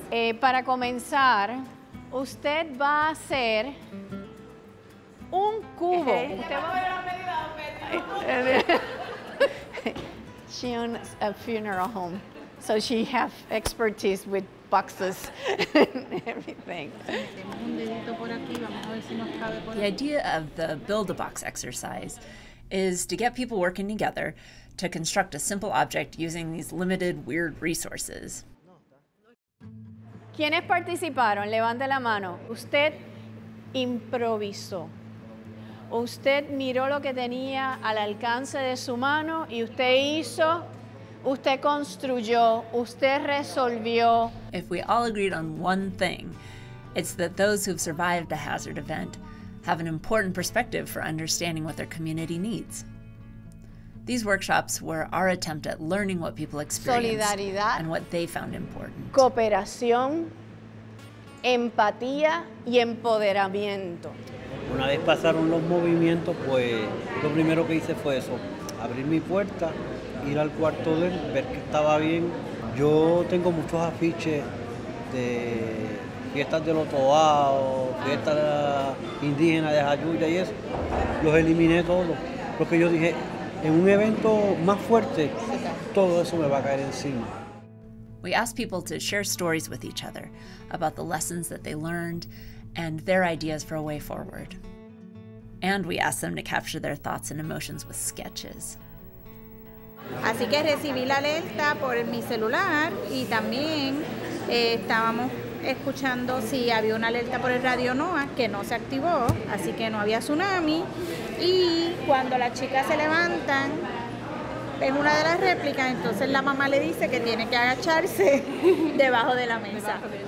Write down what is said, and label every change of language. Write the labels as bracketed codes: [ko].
[es] Para comenzar, usted va a hacer un cubo. [en] She owns a funeral home, so she has expertise with boxes and everything. The idea of the build-a-box exercise is to get people working together to construct a simple object using these limited, weird resources. [es] ¿Quiénes participaron? Levante la mano. Usted improvisó. Usted miró lo que tenía al alcance de su mano y usted hizo. Usted construyó, usted resolvió. [en] If we all agreed on one thing, it's that those who've survived a hazard event have an important perspective for understanding what their community needs. These workshops were our attempt at learning what people experienced and what they found important. [es] Cooperación, empatía y empoderamiento. Una vez pasaron los movimientos, pues lo primero que hice fue eso, abrir mi puerta. Ir al cuarto de él, ver que estaba bien. Yo tengo muchos afiches de fiestas de Lotoao, fiestas indígenas de Jayuya y eso. Los eliminé todos. Porque yo dije, en un evento más fuerte, todo eso me va a caer encima. [en] We asked people to share stories with each other about the lessons that they learned and their ideas for a way forward. And we asked them to capture their thoughts and emotions with sketches. [es] Así que recibí la alerta por mi celular y también estábamos escuchando si había una alerta por el radio NOAA que no se activó, así que no había tsunami. Y cuando las chicas se levantan en una de las réplicas, entonces la mamá le dice que tiene que agacharse debajo de la mesa.